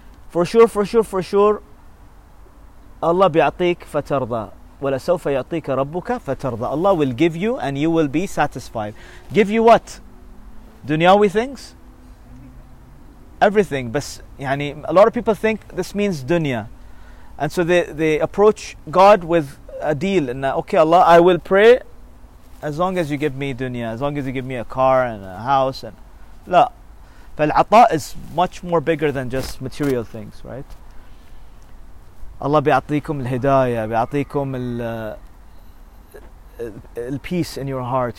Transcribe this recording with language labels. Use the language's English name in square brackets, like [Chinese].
[English] For sure, [Arabic] Allah بيعطيك فترضى ولا سوف يعطيك ربك فترضى. [English] Allah will give you and you will be satisfied. Give you what? Dunyawi things? Everything. But يعني, a lot of people think this means dunya. And so they approach God with a deal. And okay, Allah, I will pray as long as you give me dunya, as long as you give me a car and a house. And لا. فالعطاء is much more bigger than just material things, right? Allah [Arabic] بيعطيكم الهداية, بيعطيكم [English] peace in your heart.